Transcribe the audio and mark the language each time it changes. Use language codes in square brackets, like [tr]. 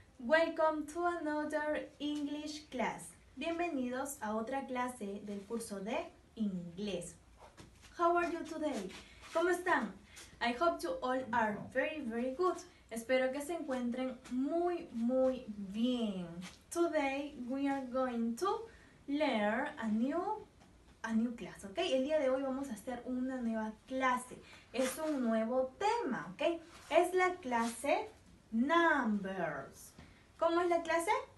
[en] Welcome to another English class. [es] Bienvenidos a otra clase del curso de inglés. [en] How are you today? [es] ¿Cómo están? [en] I hope you all are very, very good. [es] Espero que se encuentren muy, muy bien. [en] Today we are going to learn a new class, ¿ok? [es] El día de hoy vamos a hacer una nueva clase. Es un nuevo tema, ¿ok? Es la clase Numbers. ¿Cómo es la clase?